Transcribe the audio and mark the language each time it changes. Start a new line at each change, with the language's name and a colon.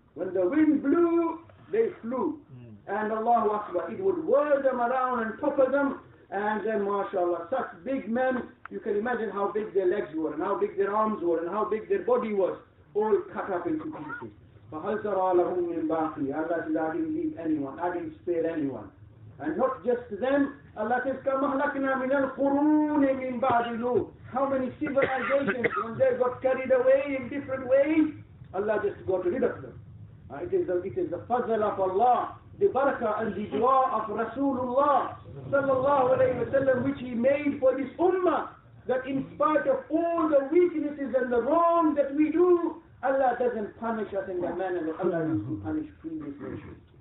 English: When the wind blew, they flew. And Allahu Akbar, it would whirl them around and topple them. And then, mashallah, such big men, you can imagine how big their legs were, and how big their arms were, and how big their body was, all cut up into pieces.
Arabic: فَهَلْ تَرَى لَهُمْ مِنْ بَاقِي.
English: Allah said, "I didn't leave anyone, I didn't spare anyone." And not just them, Allah says,
Arabic: كَمْ أَهْلَكْنَا مِنَ الْقُرُونِ مِنْ بَعْدِ نُوحٍ.
English: How many civilizations, when they got carried away in different ways, Allah just got rid of them. It is the fazl of Allah, the barakah and the dua of Rasulullah sallallahu alayhi wa sallam, which he made for this ummah, that in spite of all the weaknesses and the wrong that we do, Allah doesn't punish us in the manner that Allah used to punish previous nations.